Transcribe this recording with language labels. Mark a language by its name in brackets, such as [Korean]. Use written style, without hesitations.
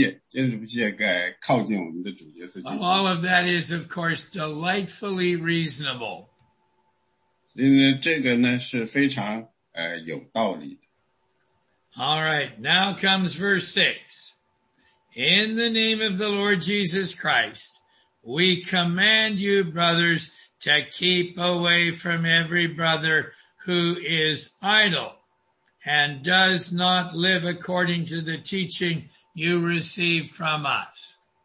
[Chinese] 因为这我们是为什么怎么样去祷告呢？我们祷告说，主啊，求您让我的心靠近你，靠近你，这样呢，我们会就坚持不懈，坚持不懈该靠近我们的主角。 [English] All of that is, of course, delightfully reasonable. [Chinese] 因为这个呢是非常有道理的。 [English] All right, now comes verse 6. In the name of the Lord Jesus Christ, we command you, brothers, to keep away from every brother who is idle and does not live according to the teaching you receive from us.